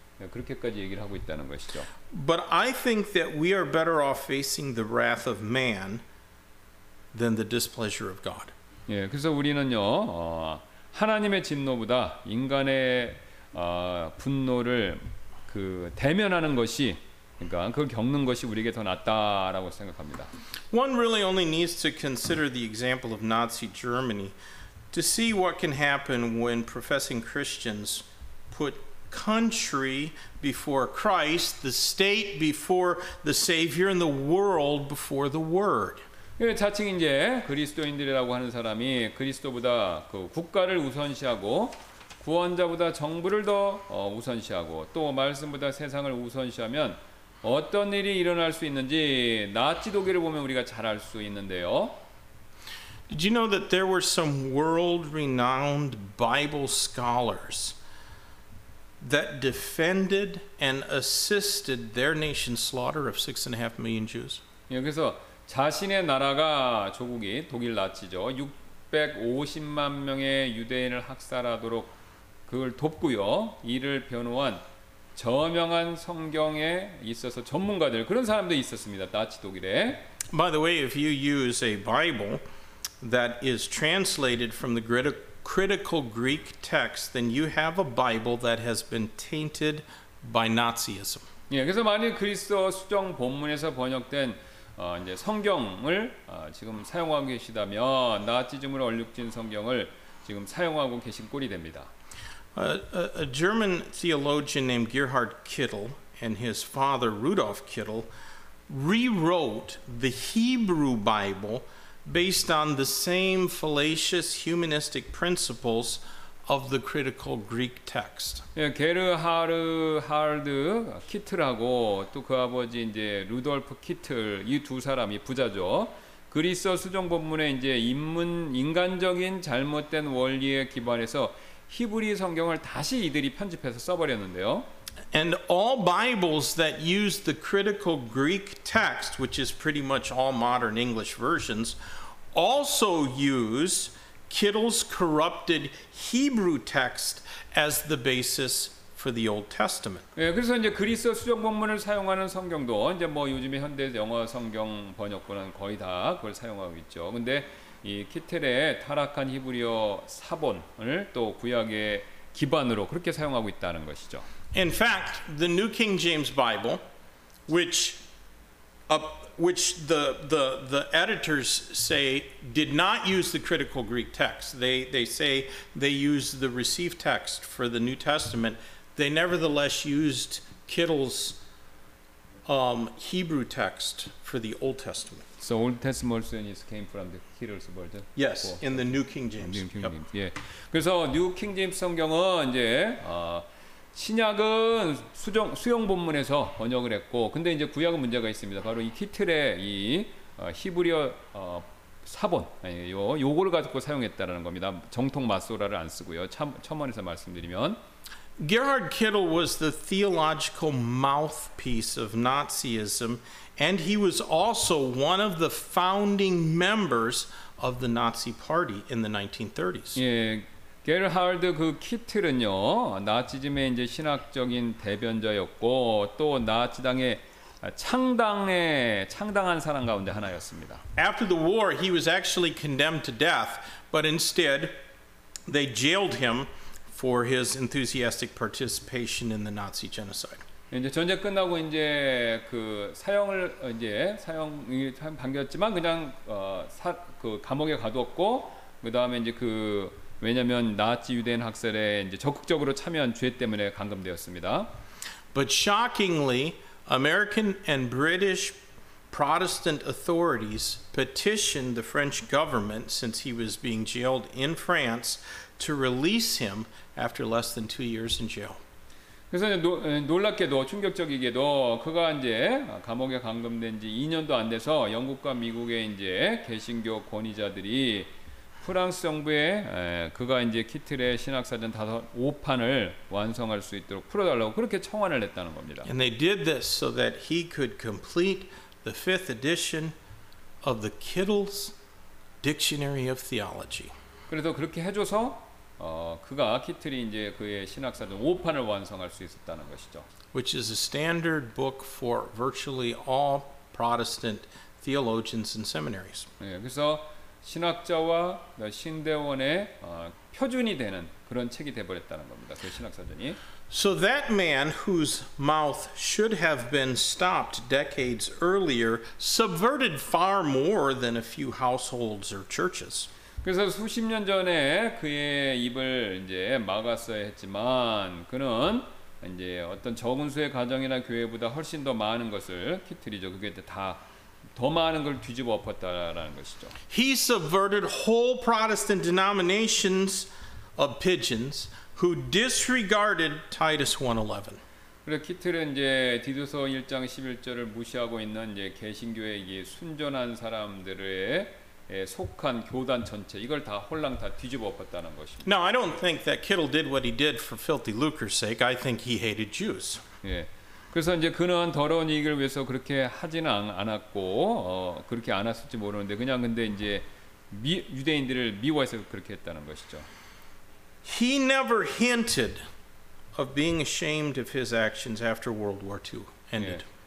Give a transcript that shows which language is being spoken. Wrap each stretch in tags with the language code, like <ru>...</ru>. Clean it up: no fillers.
<ko>그렇게까지 얘기를 하고 있다는 것이죠.</ko> <en>But I think that we are better off facing the wrath of man than the displeasure of God.</en> <ko>예, 그래서 우리는요. 하나님의 진노보다 인간의 분노를 그 대면하는 것이 그러니까 그 겪는 것이 우리에게 더 낫다라고 생각합니다.</ko> <en>One really only needs to consider the example of Nazi Germany to see what can happen when professing Christians put country before Christ, the state before the Savior, and the world before the Word.</en> <ko>예, 자칭 이제 그리스도인들이라고 하는 사람이 그리스도보다 그 국가를 우선시하고 구원자보다 정부를 더 우선시하고 또 말씀보다 세상을 우선시하면 어떤 일이 일어날 수 있는지 나치 독일을 보면 우리가 잘 알 수 있는데요.</ko> <en>Did you know that there were some world-renowned Bible scholars that defended and assisted their nation's slaughter of 6.5 million Jews?</en> <ko>여기서 자신의 나라가 조국이 독일 나치죠. 650만 명의 유대인을 학살하도록 그걸 돕고요. 이를 변호한 저명한 성경에 있어서 전문가들 그런 사람도 있었습니다. 나치 독일에.</ko> <en>By the way, if you use a Bible that is translated from the critical Greek text, then you have a Bible that has been tainted by Nazism.</en> <ko>예, 그래서 만약 그리스도 수정 본문에서 번역된 이제 성경을 지금 사용하고 계시다면 나치즘으로 얼룩진 성경을 지금 사용하고 계신 꼴이 됩니다.</ko> <en>A German theologian named Gerhard Kittel and his father Rudolf Kittel rewrote the Hebrew Bible based on the same fallacious humanistic principles of the critical Greek text.</en> <ko>예, 게르하르드 키틀하고 또 그 아버지 이제 루돌프 키틀 이 두 사람이 부자죠. 그리스 수정 본문에 이제 인간적인 잘못된 원리에 기반해서 히브리 성경을 다시 이들이 편집해서 써버렸는데요.</ko> <en>And all Bibles that use the critical Greek text, which is pretty much all modern English versions, also use Kittel's corrupted Hebrew text as the basis for the Old Testament.</en> <ko>예, 그래서 이제 그리스 수정 본문을 사용하는 성경도 이제 뭐 요즘에 현대 영어 성경 번역본은 거의 다 그걸 사용하고 있죠. 근데 이 키텔의 타락한 히브리어 사본을 또 구약의 기반으로 그렇게 사용하고 있다는 것이죠.</ko> <en>In fact, the New King James Bible, which the editors say did not use the critical Greek text. They say they used the received text for the New Testament. They nevertheless used Kittel's Hebrew text for the Old Testament. So Old Testament version is came from the Kittel's version. Yes, before. In the New King James. New King James. Yep.</en> <ko>예. 그래서 New King James 성경은 이제 신약은 수용 본문에서 번역을 했고, 근데 이제 구약은 문제가 있습니다. 바로 이 키틀의 이 히브리어 사본, 아니, 요거를 가지고 사용했다라는 겁니다. 정통 마소라를 안 쓰고요. 첨언해서 말씀드리면,</ko> <en>Gerhard Kittel was the theological mouthpiece of Nazism. And he was also one of the founding members of the Nazi Party in the 1930s.</en> <ko>예, 게르하르드 그 키틀은요, 나치즘의 이제 신학적인 대변자였고 또 나치당의 창당한 사람 가운데 하나였습니다.</ko> <en>After the war, he was actually condemned to death, but instead, they jailed him for his enthusiastic participation in the Nazi genocide.</en> <ko>이제 전쟁 끝나고 이제 그 사형이 반겼지만 그냥 그 감옥에 가두었고 그다음에 이제 그 왜냐면 나치 유대인 학살에 이제 적극적으로 참여한 죄 때문에 감금되었습니다.</ko> <en>But shockingly, American and British Protestant authorities petitioned the French government, since he was being jailed in France, to release him after less than 2 years in jail.</en> <ko>그래서 놀랍게도 충격적이게도 그가 이제 감옥에 감금된 지 2년도 안 돼서 영국과 미국의 이제 개신교 권위자들이 프랑스 정부에 그가 이제 키틀의 신학사전 5판을 완성할 수 있도록 풀어달라고 그렇게 청원을 했다는 겁니다.</ko> <en>And they did this so that he could complete the fifth edition of the Kittle's Dictionary of Theology.</en> <ko>그래서 그렇게 해줘서 그가 키틀이 이제 그의 신학사전 5판을 완성할 수 있었다는 것이죠.</ko> <en>Which is a standard book for virtually all Protestant theologians and seminaries.</en> <ko>그래서 신학자와 신대원의 표준이 되는 그런 책이 되어버렸다는 겁니다. 그 신학사전이.</ko> <en>So that man whose mouth should have been stopped decades earlier subverted far more than a few households or churches.</en> <ko>그래서 수십 년 전에 그의 입을 이제 막았어야 했지만 그는 이제 어떤 저분수의 가정이나 교회보다 훨씬 더 많은 것을 키틀이죠. 그게 다 더 많은 걸 뒤집어 엎었다라는 것이죠.</ko> <en>He subverted whole Protestant denominations of pigeons who disregarded Titus 1:11.</en> <ko>그래서 키틀은 이제 디도서 1장 11절을 무시하고 있는 이제 개신교에게 순전한 사람들의 속한 교단 전체 이걸 다 홀랑 다 뒤집어 엎었다는 것입니다.</ko> <en>Now I don't think that Kittle did what he did for filthy lucre's sake. I think he hated Jews.</en> <ko>예. 그래서 이제 그는 더러운 이익을 위해서 그렇게 하지는 않았고 그렇게 않았을지 모르는데 그냥 근데 이제 유대인들을 미워해서 그렇게 했다는 것이죠.</ko> <en>He never hinted of being ashamed of his actions after World War II ended.</en>